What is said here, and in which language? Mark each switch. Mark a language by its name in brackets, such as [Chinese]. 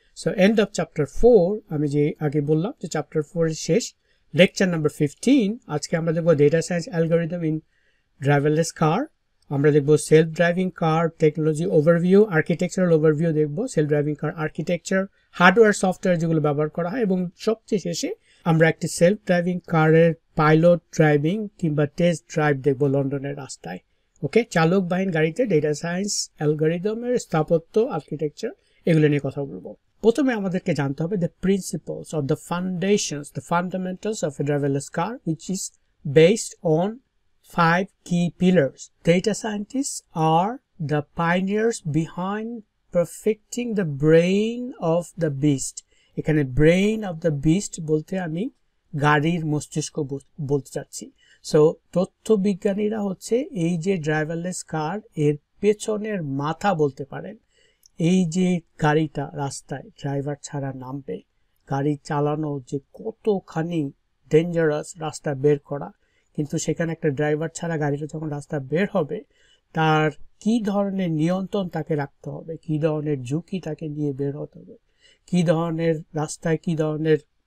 [English] so end of chapter 4, [Bangla] আমি যে আগে বললাম যে চ্যাপ্টার 4-এর শেষ, লেকচার নাম্বার 15, আজকে আমরা দেখবো data science algorithm in driverless কার, আমরা দেখবো সেলফ ড্রাইভিং কার টেকনোলজি ওভারভিউ, আর্কিটেকচারাল ওভারভিউ দেখবো, সেলফ ড্রাইভিং কার আর্কিটেকচার, হার্ডওয়্যার সফটওয়্যার যেগুলো ব্যবহার করা হয়, এবং সবচেয়ে শেষে আমরা একটি সেলফ ড্রাইভিং কারের পাইলট ড্রাইভিং কিংবা টেস্ট ড্রাইভ দেখবো লন্ডনের রাস্তায়। ওকে, চালকবাহীন গাড়িতে ডেটা সায়েন্স অ্যালগোরিদমের স্থাপত্য, আর্কিটেকচার, এগুলো নিয়ে কথা বলবো। প্রথমে আমাদেরকে জানতে হবে [English] The principles of the foundations, the fundamentals of a driverless car, which is based on 5 key pillars. Data scientists are the pioneers behind perfecting the brain of the beast. [Bangla] এখানে [English] brain of the beast [Bangla] বলতে আমি গাড়ির মস্তিষ্ক বলতে চাচ্ছি। So তথ্যবিজ্ঞানীরা হচ্ছে এই যে ড্রাইভারলেস কার এর পেছনের মাথা বলতে পারেন, এই যে গাড়িটা রাস্তায় ড্রাইভার ছাড়া নামবে, গাড়ি চালানো যে কতখানি ডেঞ্জারাস রাস্তা বের করা, কিন্তু সেখানে একটা ড্রাইভার ছাড়া গাড়িটা যখন রাস্তা বের হবে তার কি ধরনের নিয়ন্ত্রণ তাকে রাখতে হবে, কি ধরনের ঝুঁকি তাকে নিয়ে বের হতে হবে, কি ধরনের রাস্তায় কি ধরনের